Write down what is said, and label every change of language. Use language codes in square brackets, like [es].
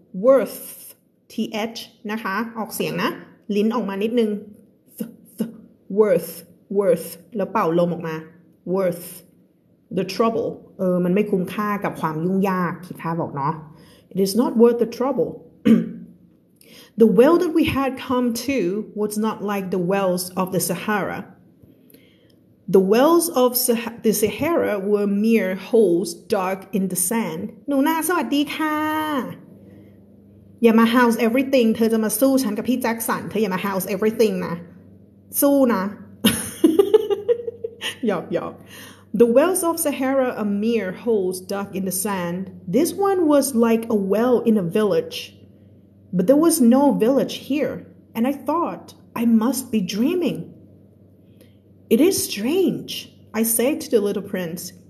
[th] Worth th นะคะออกเสียงนะลิ้นออกมานิดนึง worth แล้วเป่าลมออกมา [en] worth the trouble [th] มันไม่คุ้มค่ากับความยุ่งยากคิดภาพบอกเนาะ [en] It is not worth the trouble. The well that we had come to was not like the wells of the Sahara. The wells of the Sahara were mere holes dug in the sand. [th] หนูนาสวัสดีค่ะ อย่ามา house everything. เธอจะมาสู้ฉันกับพี่แจ็คสันเธออย่ามา house everything นะสู้นะ หยอก [en] The wells of Sahara are mere holes dug in the sand. This one was like a well in a village. But there was no village here. And I thought I must be dreaming. It is strange, I say to the little prince.